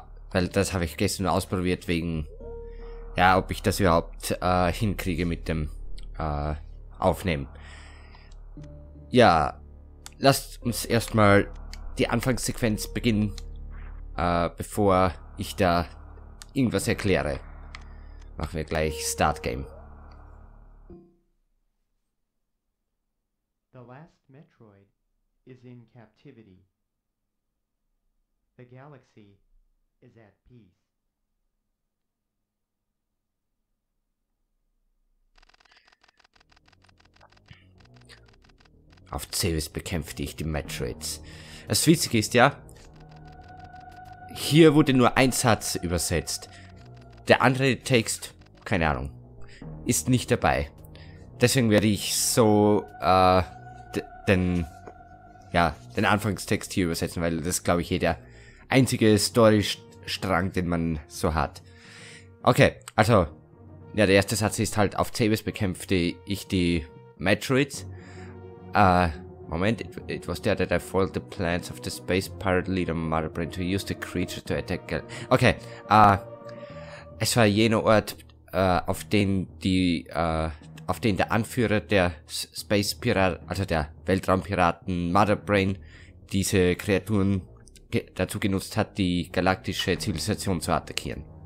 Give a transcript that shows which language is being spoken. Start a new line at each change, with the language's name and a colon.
German: Weil das habe ich gestern ausprobiert, wegen, ja, ob ich das überhaupt hinkriege mit dem Aufnehmen. Ja, lasst uns erstmal die Anfangssequenz beginnen, bevor ich da irgendwas erkläre. Machen wir gleich Start Game.
English: The last Metroid is in captivity. The galaxy is at peace.
German: Auf Zeus bekämpfte ich die Metroids. Das Witzige ist ja, hier wurde nur ein Satz übersetzt. Der andere Text, keine Ahnung, ist nicht dabei. Deswegen werde ich so den Anfangstext hier übersetzen, weil das ist, glaube ich, hier der einzige Storystrang, den man so hat. Okay, also, ja, der erste Satz ist halt, auf Zebes bekämpfte ich die Metroids.
English: Moment, it was there that I foiled the plans of the space pirate leader Mother Brain to use the creature to attack.
German: Okay, es war jener Ort, auf den der Anführer der Space Piraten, also der Weltraumpiraten Mother Brain, diese Kreaturen dazu genutzt hat, die galaktische Zivilisation zu attackieren.